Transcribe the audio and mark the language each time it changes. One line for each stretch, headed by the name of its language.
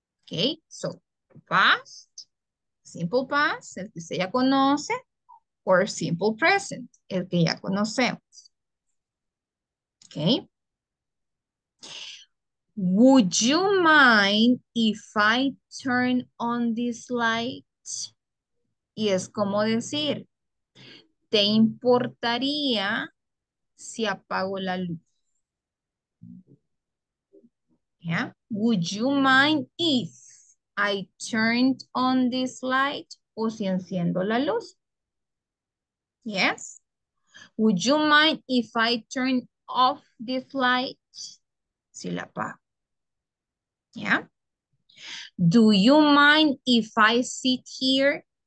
English: Okay, so past, simple past,
Spanish: el que se ya conoce,
English: or simple present,
Spanish: el que ya conocemos.
English: Okay? Would you mind if I turn on this light?
Spanish: Y es como decir, ¿te importaría si apago la luz? ¿Eh?
English: Yeah. Would you mind if I turned on this light?
Spanish: O si enciendo la luz.
English: Yes. Would you mind if I turn off this light?
Spanish: Si la apago.
English: Yeah. Do you mind if I sit here?